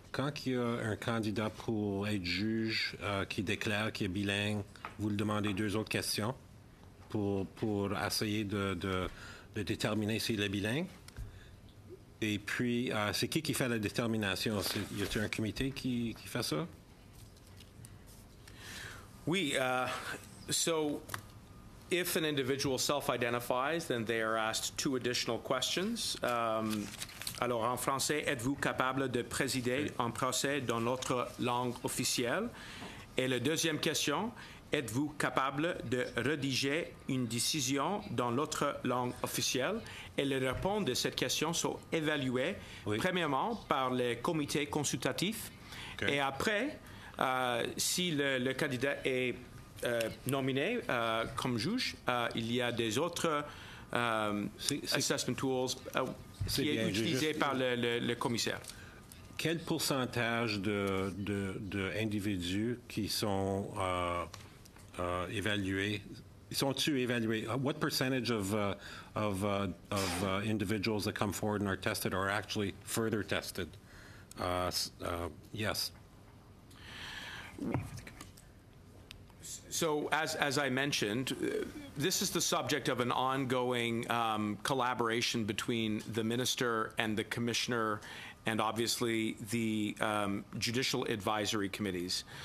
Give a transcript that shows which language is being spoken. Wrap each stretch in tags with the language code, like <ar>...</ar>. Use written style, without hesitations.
<fr>Quand il y a un candidat pour être juge qui déclare qu'il est bilingue, vous lui demandez deux autres questions pour essayer de déterminer s'il est bilingue. Et puis, c'est qui fait la détermination? Y a-t-il un comité qui fait ça? Oui.</fr> <en>So, if an individual self-identifies, then they are asked two additional questions.</en> <fr>Alors, en français, êtes-vous capable de présider un procès dans notre langue officielle? Et la deuxième question, êtes-vous capable de rédiger une décision dans notre langue officielle? Et les réponses de cette question sont évaluées, premièrement, par les comités consultatifs. Okay. Et après, si le candidat est nominé comme juge, il y a des autres assessment tools qui est utilisé par le commissaire. Quel pourcentage d'individus qui sont évalués, sont-ils évalués?</fr> <en>What percentage of individuals that come forward and are tested are actually further tested? Yes. So, as I mentioned, this is the subject of an ongoing collaboration between the minister and the commissioner and obviously the judicial advisory committees.</en>